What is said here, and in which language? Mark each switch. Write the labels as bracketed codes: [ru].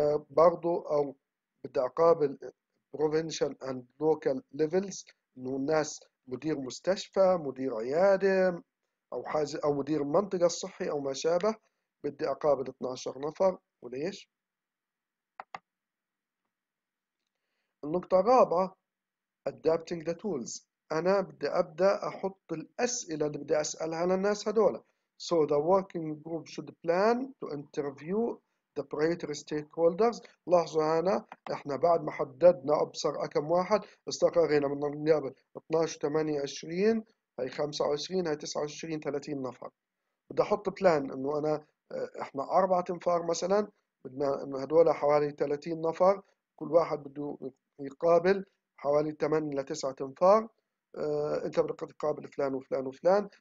[ar] برضو او بدي اقابل بروفينشال اند لوكال ليفلز، انه الناس مدير مستشفى، مدير عياده او حاجه، او مدير المنطقه الصحي او ما شابه، بدي اقابل 12 نفر وليش. النقطة الرابعة [en] adapting the tools، [ar] انا بدي ابدا احط الاسئلة اللي بدي اسالها للناس هذول. [en] So the working group should plan to interview the priority stakeholders. [ar] لاحظوا هنا احنا بعد ما حددنا ابصر كم واحد استقرينا من النيابة 12 8 20 هي 25 هي 29 30 نفر. بدي احط بلان انه انا احنا اربعة انفار مثلا بدنا انه هدول حوالي 30 نفر، كل واحد بده يقابل حوالي 8 ل 9 انفار، انت بدك تقابل فلان وفلان وفلان.